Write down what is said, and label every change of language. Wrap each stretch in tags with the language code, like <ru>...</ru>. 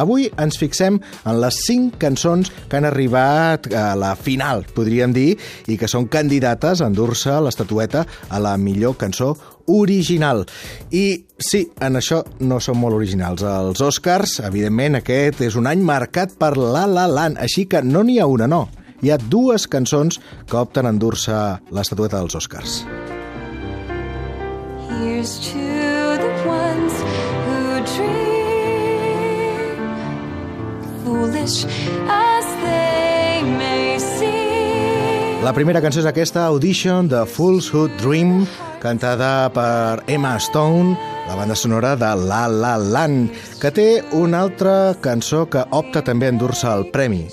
<ca>Avui ens fixem en les 5 cançons que han arribat a la final, podríem dir, i que són candidates a endur-se l'estatueta a la millor cançó original. I sí, en això no són molt originals. Els Oscars, evidentment, aquest és un any marcat per La La Land, així que no n'hi ha una, no. Hi ha dues cançons que opten a endur-se l'estatueta dels Oscars.</ca> <en>Here's to the ones who dream, foolish as they may seem.</en> <ca>La primera cançó és aquesta, Audition, The Fools Who Dream, cantada per Emma Stone, la banda sonora de La La Land, que té una altra cançó que opta també a endur-se el premi.</ca>